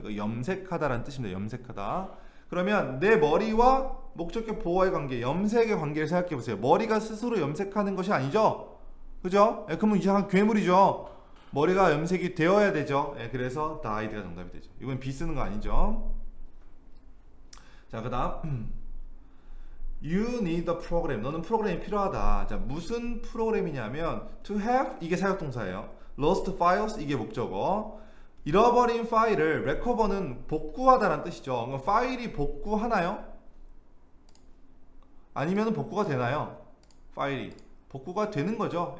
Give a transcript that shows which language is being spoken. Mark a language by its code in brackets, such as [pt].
[ko] 이거 염색하다라는 뜻입니다. 염색하다. 그러면 내 머리와 목적격 보호의 관계, 염색의 관계를 생각해 보세요. 머리가 스스로 염색하는 것이 아니죠? 그죠? 그러면 이상한 괴물이죠. 머리가 염색이 되어야 되죠. 예, 그래서 다이드가 정답이 되죠. 이건 비 쓰는 거 아니죠. 자, 그다음 [en] You need a program. [ko] 너는 프로그램이 필요하다. 자, 무슨 프로그램이냐면 to have 이게 사역동사예요. Lost files 이게 목적어. 잃어버린 파일을 recover는 복구하다라는 뜻이죠. 그럼 파일이 복구하나요? 아니면 복구가 되나요? 파일이 복구가 되는 거죠.